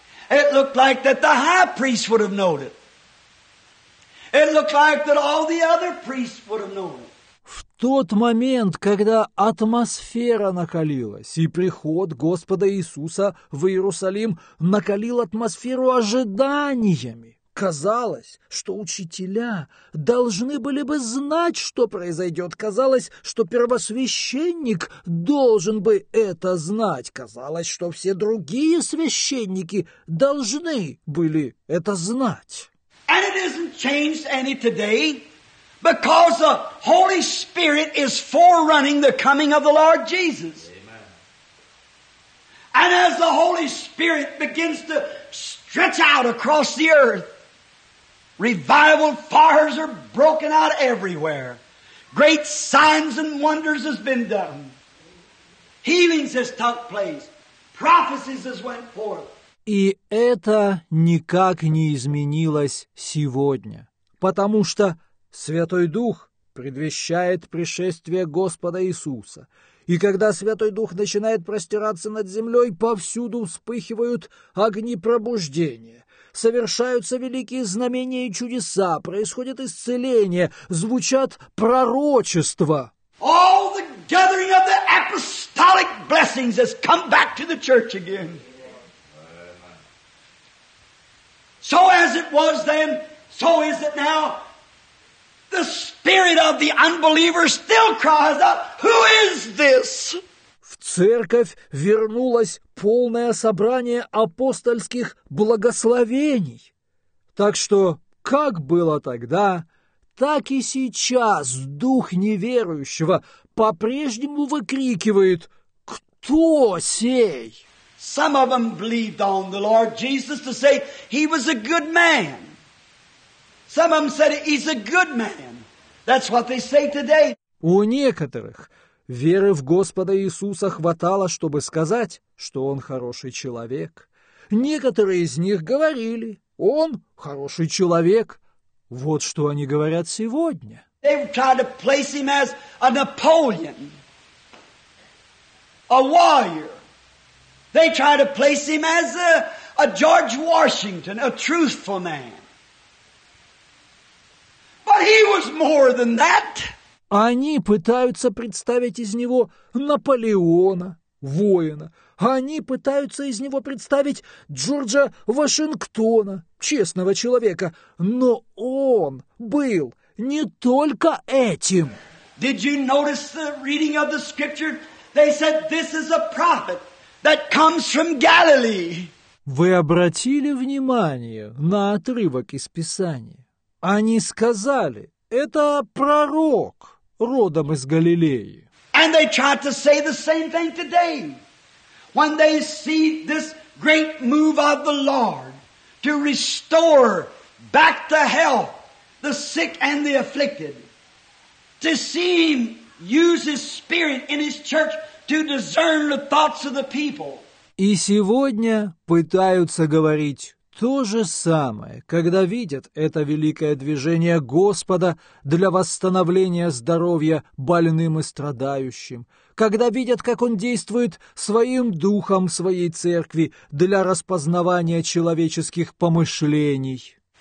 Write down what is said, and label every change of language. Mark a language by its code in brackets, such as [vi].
[en] It looked like that the high priest would have known it. It looked like that all the other priests would have known it. [ru] В тот момент, когда атмосфера накалилась, и приход Господа Иисуса в Иерусалим накалил атмосферу ожиданиями, казалось, что учителя должны были бы знать, что произойдет. Казалось, что первосвященник должен бы это знать. Казалось, что все другие священники должны были это знать. [en] And it isn't changed any today, because the Holy Spirit is forerunning the coming of the Lord Jesus. Amen. And as the Holy Spirit begins to stretch out across the earth, revival fires are broken out everywhere. Great signs and wonders has been done. Healings has took place. Prophecies has went forth. [ru] И это никак не изменилось сегодня, потому что Святой Дух предвещает пришествие Господа Иисуса. И когда Святой Дух начинает простираться над землей, повсюду вспыхивают огни пробуждения. Совершаются великие знамения и чудеса, происходит исцеление, звучат пророчества. [en] All the gathering of the apostolic blessings has come back to the church again. So as it was then, so is it now. The spirit of the unbeliever still cries out, "Who is this?" [ru] В церковь вернулось полное собрание апостольских благословений. Так что, как было тогда, так и сейчас дух неверующего по-прежнему выкрикивает «Кто сей?» [en] Some of them believed on the Lord Jesus to say he was a good man. Some of them said he's a good man. That's what they say today. [ru] У некоторых веры в Господа Иисуса хватало, чтобы сказать, что он хороший человек. Некоторые из них говорили: «Он хороший человек». Вот что они говорят сегодня. [en] They tried to place him as a Napoleon, a warrior. They tried to place him as a George Washington, a truthful man. But he was more than that. [ru] Они пытаются представить из него Наполеона, воина. Они пытаются из него представить Джорджа Вашингтона, честного человека. Но он был не только этим. [en] Did you notice the reading of the scripture? They said this is a prophet that comes from Galilee. [ru] Вы обратили внимание на отрывок из Писания? Они сказали, это пророк, родом из Галилеи. [en] And they tried to say the same thing today. When they see this great move of the Lord to restore back the health, the sick and the afflicted, to see him use his spirit in his church to discern the thoughts of the people. [ru] И сегодня пытаются говорить то же самое, когда видят это великое движение Господа для восстановления здоровья больным и страдающим, когда видят, как Он действует Своим Духом в Своей Церкви для распознавания человеческих помышлений.